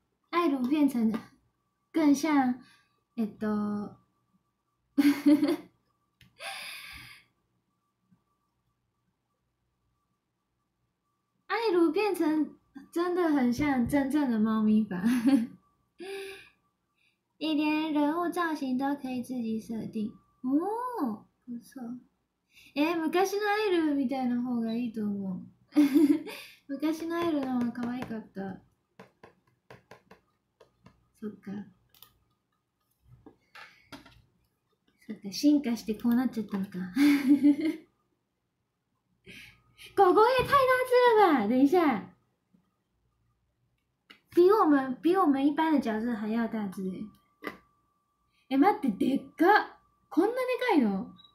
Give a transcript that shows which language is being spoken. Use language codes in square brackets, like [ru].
[zh] 艾鲁变成更像，艾鲁变成真的很像真正的猫咪版，你连人物造型都可以自己设定哦，不错。 [ja] え、昔のエルみたいな方がいいと思う。昔のエルの方が可愛かった。そっか。そっか、進化してこうなっちゃったのか。 [zh] 狗狗也太大只了吧！等一下，比我们一般的角色还要大只哎！ [ja] 哎，待って、でっか！こんなでかいの？